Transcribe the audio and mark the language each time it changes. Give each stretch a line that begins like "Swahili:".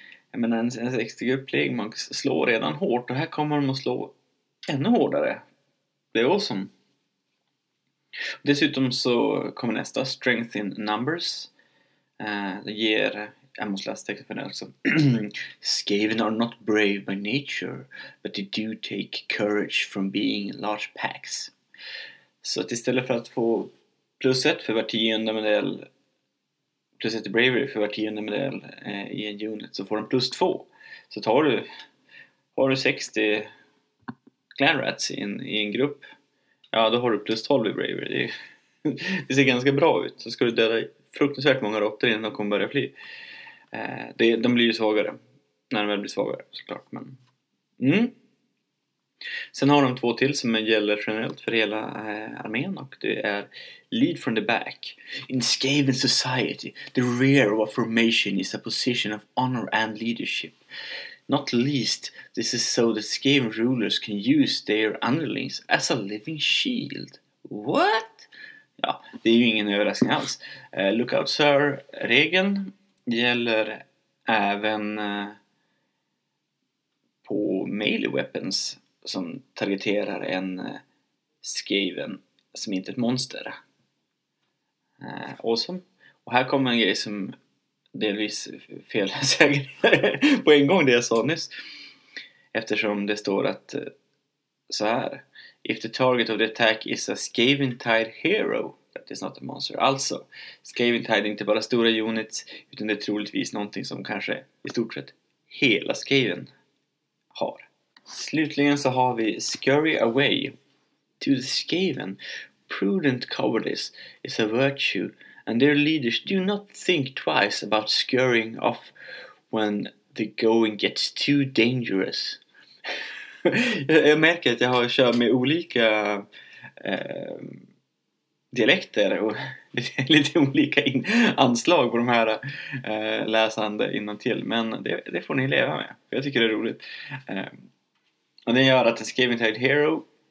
Swedish: jag menar, en 60-grupp plague monk slår redan hårt. Och här kommer de att slå ännu hårdare. Det är awesome. Dessutom så kommer nästa. Strength in numbers. Det ger... jag måste läsa texten för den också.
English: Skaven are not brave by nature, but they do take courage from being large packs.
Swedish: Så att istället för att få plus ett för var tionde modell, plus ett bravery för var tionde modell i en unit, så får de plus två. Så tar du, har du 60 clan rats i en grupp, ja, då har du plus 12 i bravery. Det ser ganska bra ut. Så ska du döda fruktansvärt många råttor innan de kommer börja fly. De blir ju svagare. När de väl blir svagare, såklart. Men... mm. Sen har de två till som gäller generellt för hela armén. Och det är Lead from the back.
English: In Skaven society, the rear of a formation is a position of honor and leadership. Not least, this is so that Skaven rulers can use their underlings as a living shield. What?
Swedish: Ja, det är ju ingen överraskning alls.
English: Look out, sir.
Swedish: Regeln gäller även på melee weapons som targeterar en skaven som inte är ett monster. Awesome. Och här kommer en grej som delvis fel säger på en gång det jag sa nyss. Eftersom det står att så här.
English: If the target of the attack is a Skaven Tide hero.
Swedish: Det är snart ett monster. Alltså, Skaven Tide är inte bara stora units, utan det är troligtvis någonting som kanske i stort sett hela Skaven har. Slutligen så har vi Scurry away to the Skaven.
English: Prudent cowardice is a virtue, and their leaders do not think twice about scurrying off when the going gets too dangerous.
Swedish: Jag märker att jag har kört med olika dialekter och lite olika anslag på de här läsande innantill. Men det får ni leva med. Jag tycker det är roligt. Och det gör att en Skaven Tide Hero...